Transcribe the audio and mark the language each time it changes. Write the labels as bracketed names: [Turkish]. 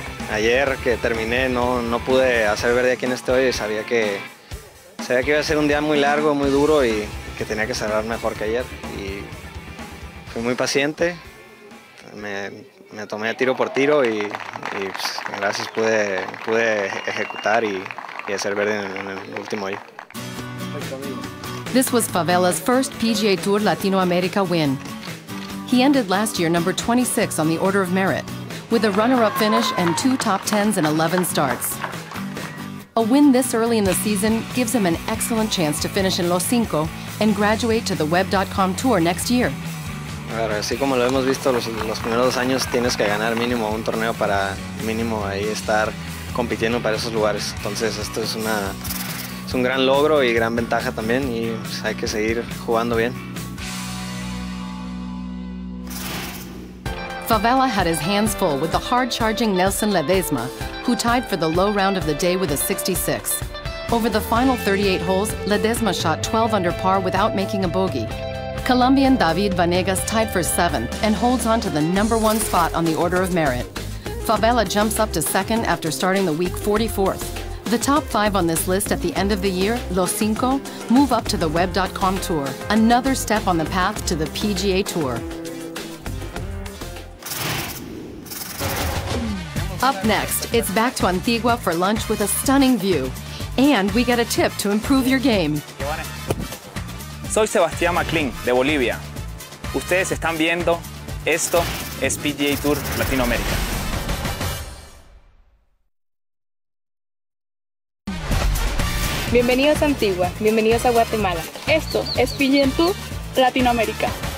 [Spanish] Ayer que terminé no pude hacer ver de quién estoy y sabía que iba a ser un día muy largo, muy duro y que tenía que cerrar mejor que ayer. Y fui muy paciente, me tomé tiro por tiro y pues, gracias pude ejecutar y hacer ver en el último hoyo. [English] This was Favela's first PGA Tour Latino America win. He ended last year number 26 on the order of merit, with a runner-up finish and 2 top 10s and 11 starts. A win this early in the season gives him an excellent chance to finish in Los Cinco and graduate to the Web.com Tour next year. [Spanish] A ver, así como lo hemos visto los primeros 2 años, tienes que ganar mínimo un torneo para mínimo ahí estar compitiendo para esos lugares. Entonces esto es una... Es un gran logro y gran ventaja también y pues, hay que seguir jugando bien. [English] Favela had his hands full with the hard-charging Nelson Ledesma, who tied for the low round of the day with a 66. Over the final 38 holes, Ledesma shot 12 under par without making a bogey. Colombian David Vanegas tied for 7th and holds on to the number one spot on the order of merit. Favela jumps up to 2nd after starting the week 44th. The top 5 on this list at the end of the year, Los Cinco, move up to the Web.com Tour, another step on the path to the PGA Tour. Up next, it's back to Antigua for lunch with a stunning view. And we get a tip to improve your game. [Spanish] Soy Sebastián McLean, de Bolivia. Ustedes están viendo, esto es PGA Tour Latinoamérica. Bienvenidos a Antigua, bienvenidos a Guatemala. Esto es PGA Tour Latinoamérica.